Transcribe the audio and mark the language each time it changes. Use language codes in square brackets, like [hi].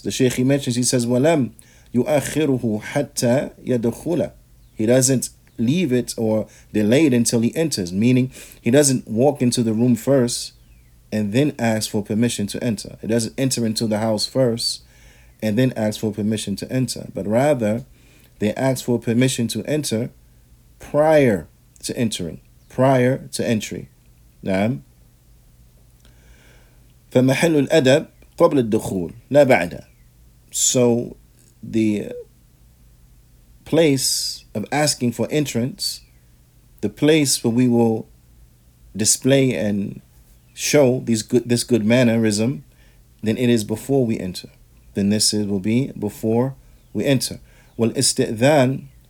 [en] The Shaykh, he mentions, he says, [ar] وَلَمْ يُؤَخِّرُهُ حَتَّى يَدْخُلَ, [en] he doesn't leave it or delay it until he enters, meaning he doesn't walk into the room first and then ask for permission to enter. He doesn't enter into the house first and then ask for permission to enter, but rather they ask for permission to enter prior to entering, prior to entry. [ar] نعم. فمحل الأدب قبل الدخول لا بعد. [en] So the place of asking for entrance, the place where we will display and show this good mannerism, then it is before we enter. Then this will be before we enter. Well, istithan,